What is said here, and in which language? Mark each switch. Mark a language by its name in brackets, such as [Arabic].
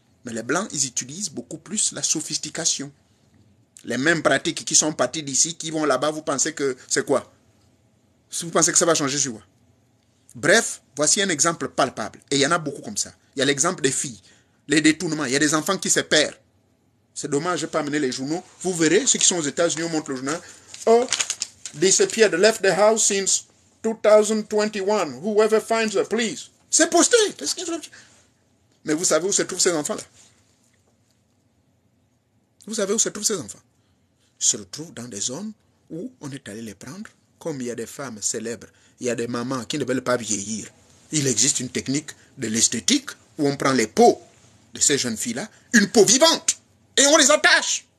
[French] Mais les Blancs, ils utilisent beaucoup plus la sophistication. Les mêmes pratiques qui sont parties d'ici, qui vont là-bas, vous pensez que c'est quoi? Vous pensez que ça va changer, je vois. Bref, voici un exemple palpable. Et il y en a beaucoup comme ça. Il y a l'exemple des filles, les détournements. Il y a des enfants qui se perdent. C'est dommage, je n'ai pas amené les journaux. Vous verrez, ceux qui sont aux États-Unis, on montre le journal. [English] Oh, disappeared, left the house since 2021, whoever finds her, please. [French] C'est posté. Mais vous savez où se trouvent ces enfants-là? Vous savez où se trouvent ces enfants? Ils se retrouvent dans des zones où on est allé les prendre. Comme il y a des femmes célèbres, il y a des mamans qui ne veulent pas vieillir. Il existe une technique de l'esthétique où on prend les peaux de ces jeunes filles-là, une peau vivante, et on les attache.